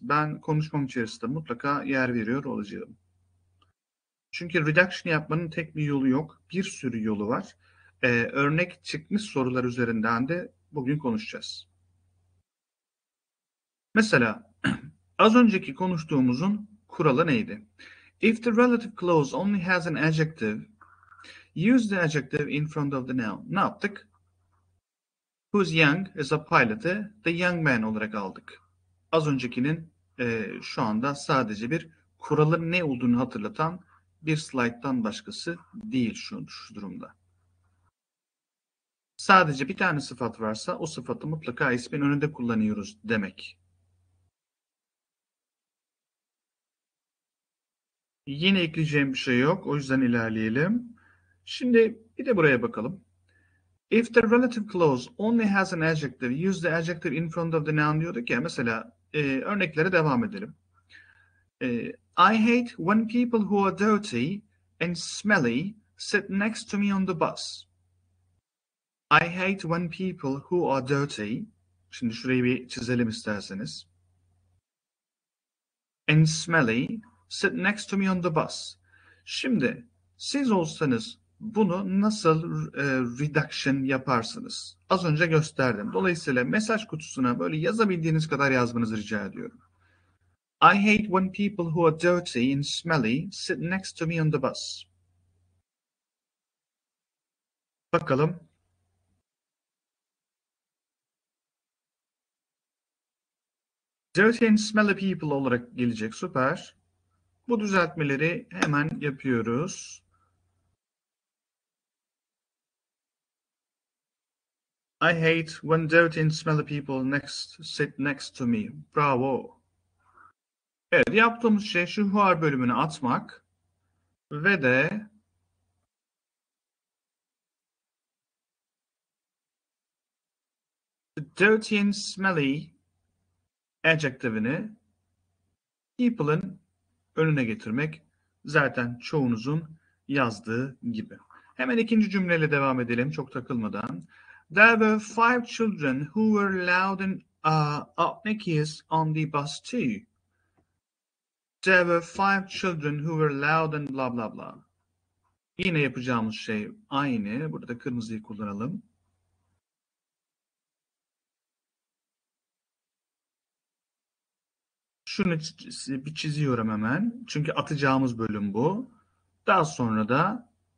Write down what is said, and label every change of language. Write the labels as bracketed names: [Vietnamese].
[Turkish] Ben konuşmam içerisinde mutlaka yer veriyor olacağım. Çünkü reduction yapmanın tek bir yolu yok. Bir sürü yolu var. Örnek çıkmış sorular üzerinden de bugün konuşacağız. Mesela az önceki konuştuğumuzun kuralı neydi? [English] If the relative clause only has an adjective, use the adjective in front of the noun. [Turkish] Ne yaptık? [English] Who's young is a pilot'ı the young man [Turkish] olarak aldık. Az öncekinin şu anda sadece bir kuralın ne olduğunu hatırlatan bir slide'dan başkası değil şu durumda. Sadece bir tane sıfat varsa o sıfatı mutlaka ismin önünde kullanıyoruz demek. Yine ekleyeceğim bir şey yok. O yüzden ilerleyelim. Şimdi bir de buraya bakalım. [English] If the relative clause only has an adjective, use the adjective in front of the noun [Turkish] diyorduk ya. Mesela örneklere devam edelim. [English] I hate when people who are dirty and smelly sit next to me on the bus. I hate when people who are dirty. [Turkish] Şimdi şurayı bir çizelim isterseniz. [English] And smelly. Sit next to me on the bus. [Turkish] Şimdi siz olsanız bunu nasıl reduction yaparsınız? Az önce gösterdim. Dolayısıyla mesaj kutusuna böyle yazabildiğiniz kadar yazmanızı rica ediyorum. [English] I hate when people who are dirty and smelly sit next to me on the bus. [Turkish] Bakalım. [English] Dirty and smelly people [Turkish] olarak gelecek. Süper. Bu düzeltmeleri hemen yapıyoruz. [English] I hate when dirty and smelly people sit next to me. [Turkish] Bravo. Evet, yaptığımız şey şu [English] who are [Turkish] bölümünü atmak ve de [English] dirty and smelly [Turkish] adjective'ini people'ın önüne getirmek zaten çoğunuzun yazdığı gibi. Hemen ikinci cümleyle devam edelim çok takılmadan. [English] There were five children who were loud and obnoxious on the bus too. There were five children who were loud and blah blah blah. [Turkish] Yine yapacağımız şey aynı. Burada kırmızıyı kullanalım. Şunu bir çiziyorum hemen. Çünkü atacağımız bölüm bu. Daha sonra da